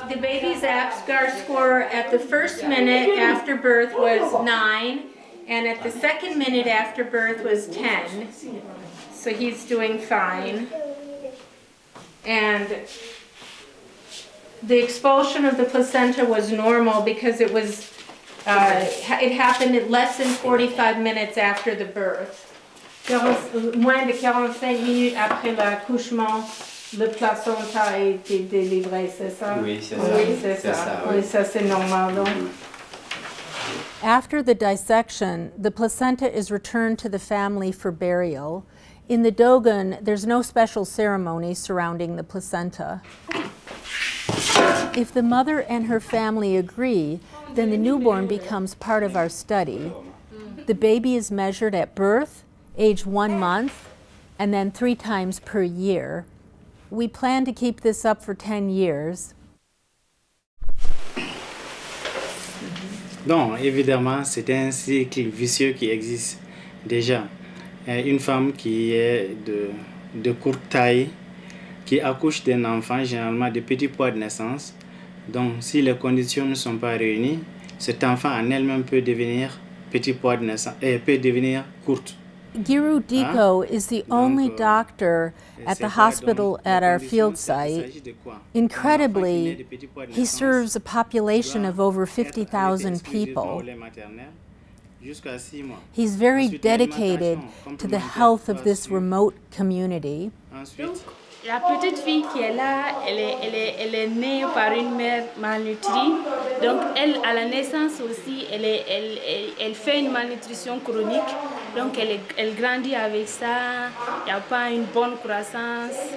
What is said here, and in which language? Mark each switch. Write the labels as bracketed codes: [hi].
[en] The baby's Apgar score at the first minute after birth was 9, and at the second minute after birth was 10. So he's doing fine. And the expulsion of the placenta was normal because it was it happened at less than 45 minutes after the birth. [fr] Moins de 45 minutes après l'accouchement, le placenta a été délivré, c'est ça? Oui, c'est ça. Oui, ça c'est normal, non? [en] After the dissection, the placenta is returned to the family for burial. In the Dogon, there's no special ceremony surrounding the placenta. If the mother and her family agree, then the newborn becomes part of our study. The baby is measured at birth, age 1 month, and then 3 times per year. We plan to keep this up for 10 years. [fr] Donc, évidemment, c'est un cycle vicieux qui existe déjà. Une femme qui est de courte taille, qui accouche d'un enfant, généralement de petit poids de naissance. Donc, si les conditions ne sont pas réunies, cet enfant en elle-même peut devenir petit poids de naissance, peut devenir courte. [en] Giru Diko is the only doctor at the hospital at our field site. Incredibly, he serves a population of over 50,000 people. He's very dedicated to the health of this remote community. [fr] La petite fille qui est là, elle est née par une mère malnutrie. Donc elle, à la naissance aussi, elle fait une malnutrition chronique. Donc elle grandit avec ça. Il n'y a pas une bonne croissance.